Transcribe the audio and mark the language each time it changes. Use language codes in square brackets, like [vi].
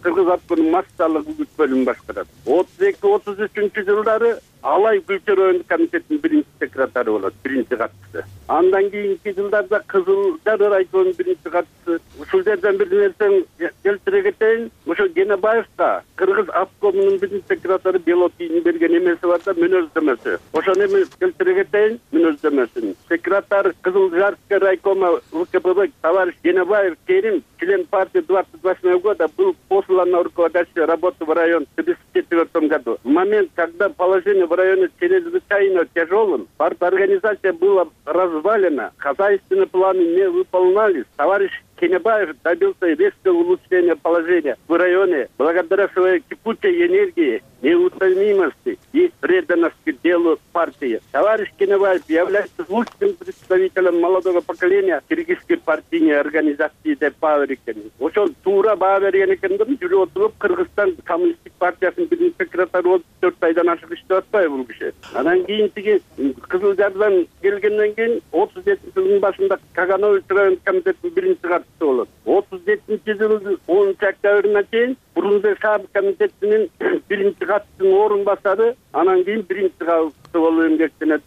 [ky] Кыргыз АТКнын массалык үгүт бөлүмүн башкарат. 32-33-нчү жылдары Алай Күлчөр Оюн комитетинин биринчи секретари болот, биринчи катчысы. Андан кийинки жылдарда Кызыл Жарыр айтонун биринчи катчысы. Ушул жерден бир нерсе келтире кетейин. Ошо Кенебаевга Кыргыз АТКнын биринчи секретари Белотинин берген эмеси бар да, мүнөздөмөсү. Ошону эми келтире кетейин, мүнөздөмөсүн. [ru] Секретар Кызыл Жарыр райкома УКПБ товарищ Кенебаев Керим, член партии 28 года, был послан на руководящую работу в район в 1954 году. В момент, когда положение в районе чрезвычайно тяжелым. Парт-организация была развалена, хозяйственные планы не выполнялись. Товарищ Кенебаев добился резкого улучшения положения в районе благодаря своей кипучей энергии, неутомимости и преданности делу партии. Товарищ Кенебаев является лучшим представителем молодого поколения киргизской партийной организации Депаверикен. [ky] Ошол тура баа берген экендим, жүрүп отуруп Кыргызстан коммунисттик партиясынын биринчи секретары болуп 4 айдан ашык иштеп атпайбы бул киши. Анан кийин тиги Кызыл Жардан келгенден кийин 37-нчи жылдын башында Каганович районунун комитетинин биринчи катчысы болот. 37-нчи жылдын 10-нчу октябрына чейин Фрунзе шаардык комитетинин биринчи катчысынын орун басары, анан кийин биринчи катчы болуп эмгектенет.